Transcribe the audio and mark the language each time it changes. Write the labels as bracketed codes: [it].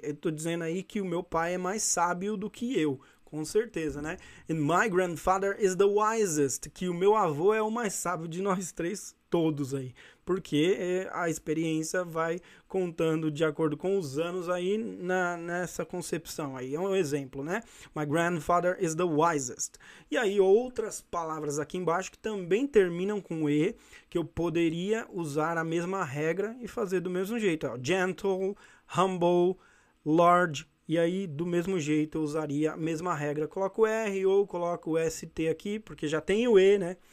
[pt] Eu tô dizendo aí que o meu pai é mais sábio do que eu, com certeza, né? [en] And my grandfather is the wisest, [pt] que o meu avô é o mais sábio de nós três todos aí. Porque a experiência vai contando de acordo com os anos aí nessa concepção aí. É um exemplo, né? [en] My grandfather is the wisest. [pt] E aí, outras palavras aqui embaixo que também terminam com E, que eu poderia usar a mesma regra e fazer do mesmo jeito. Ó. Gentle, humble, large. E aí, do mesmo jeito, eu usaria a mesma regra. Coloco o R ou coloco o ST aqui, porque já tem o E, né?